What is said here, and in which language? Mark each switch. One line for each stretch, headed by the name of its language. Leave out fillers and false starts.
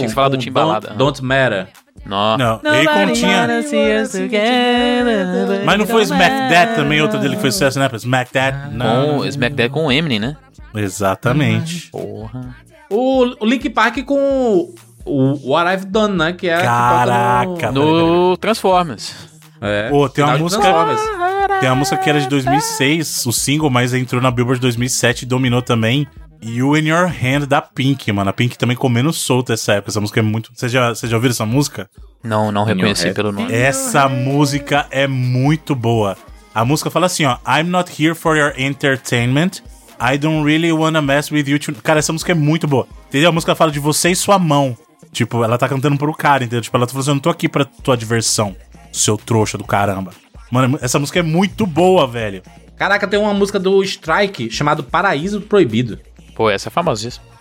Portuguese: Tinha falado Timbalada. Don't Matter. Não, Akon tinha. Mas não foi Smack That também, outra dele que foi sucesso, né? Smack That? Não. Smack That com o Eminem, né? Exatamente. Porra. O Linkin Park com o What I've Done, né? Que é. Caraca, no Transformers. É. Pô, tem uma música. Tem uma música que era de 2006, o single, mas entrou na Billboard de 2007 e dominou também. You In Your Hand, da Pink, mano. A Pink também comendo solta essa época. Essa música é muito... Você já ouviu essa música? Não reconheci pelo nome. Essa música é muito boa. A música fala assim, ó.
English: I'm not here for your entertainment. I don't really wanna mess with you.
Portuguese: Cara, essa música é muito boa. Entendeu? A música fala de você e sua mão. Tipo, ela tá cantando pro cara, entendeu? Tipo, ela tá falando assim, eu não tô aqui pra tua diversão, seu trouxa do caramba. Mano, essa música é muito boa, velho. Caraca, tem uma música do Strike chamado Paraíso Proibido. Pô, essa é famosíssima.